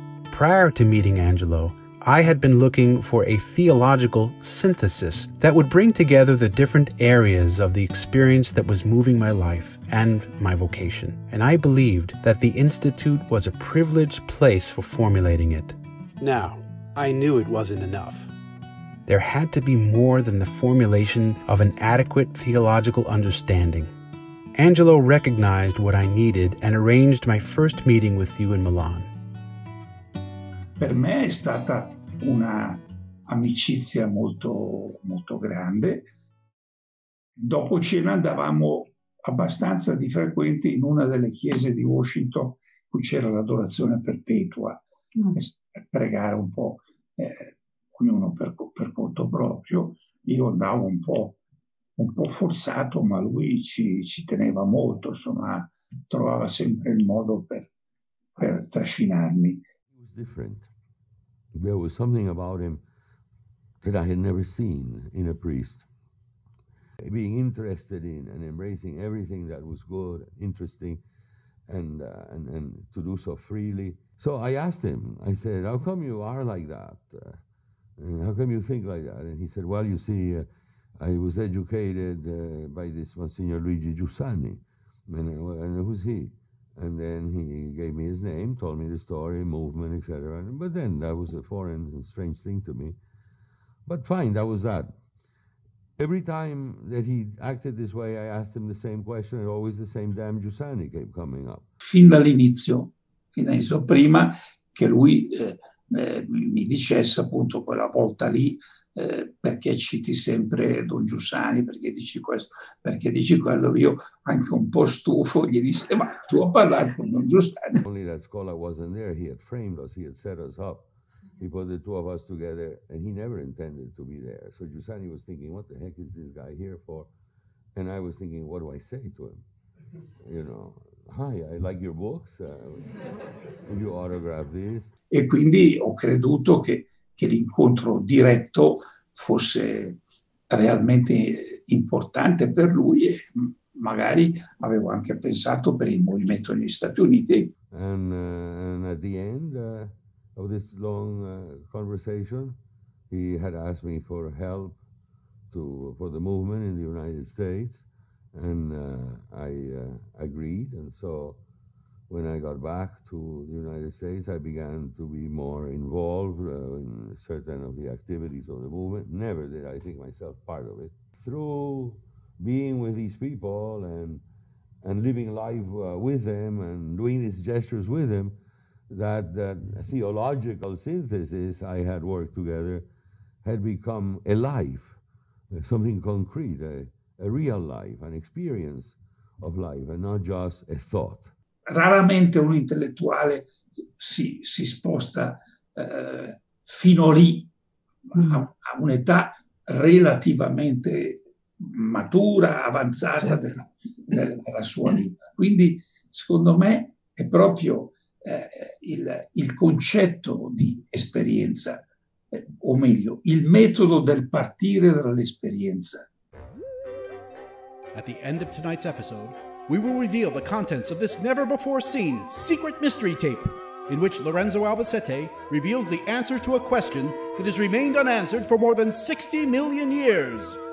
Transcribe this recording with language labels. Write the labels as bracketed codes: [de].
[en] Prior to meeting Angelo, I had been looking for a theological synthesis that would bring together the different areas of the experience that was moving my life and my vocation, and I believed that the Institute was a privileged place for formulating it. Now, I knew it wasn't enough. There had to be more than the formulation of an adequate theological understanding. Angelo recognized what I needed and arranged my first meeting with you in Milan. [it] Per me è stata una amicizia molto molto grande. Dopo cena andavamo abbastanza di frequente in una delle chiese di Washington, cui c'era l'adorazione perpetua, per pregare un po', ognuno per conto proprio. Io andavo un po' forzato, ma lui ci teneva molto, insomma, trovava sempre il modo per trascinarmi. [en] He was different. There was something about him that I had never seen in a priest. Being interested in and embracing everything that was good, interesting, and to do so freely. So I asked him, I said, how come you are like that? And how come you think like that? And he said, well, you see, I was educated by this Monsignor Luigi Giussani. And who's he? And then he gave me his name, told me the story, movement, etc. But then that was a foreign and strange thing to me. But fine, that was that. Every time that he acted this way, I asked him the same question, and always the same damn Giussani kept coming up. [it] Fin dall'inizio, prima che lui mi dicesse appunto quella volta lì, perché citi sempre Don Giussani, perché dici questo, perché dici quello. Io, anche un po' stufo, gli disse: ma tu a parlare con Don Giussani. [en] Only that Scola wasn't there, he had framed us, he had set us up. He put the two of us together, and he never intended to be there. So Giussani was thinking, what the heck is this guy here for? And I was thinking, what do I say to him? You know, hi, I like your books. Would you autograph this? [it] E quindi ho creduto che l'incontro diretto fosse realmente importante per lui, e magari avevo anche pensato per il movimento negli Stati Uniti. [en] And at the end of this long conversation, he had asked me for help for the movement in the United States, and I agreed. And so when I got back to the United States, I began to be more involved in certain of the activities of the movement. Never did I think myself part of it. Through being with these people and living life with them and doing these gestures with them, that theological synthesis I had worked together had become alive, something concrete, a real life, an experience of life, and not just a thought. [it] Raramente un intellettuale si sposta fino lì, a un'età relativamente matura, avanzata della sua vita. Quindi, secondo me, è proprio il concetto di esperienza, o meglio, il metodo del partire dall'esperienza. [en] At the end of tonight's episode, we will reveal the contents of this never-before-seen secret mystery tape, in which Lorenzo Albacete reveals the answer to a question that has remained unanswered for more than 60 million years.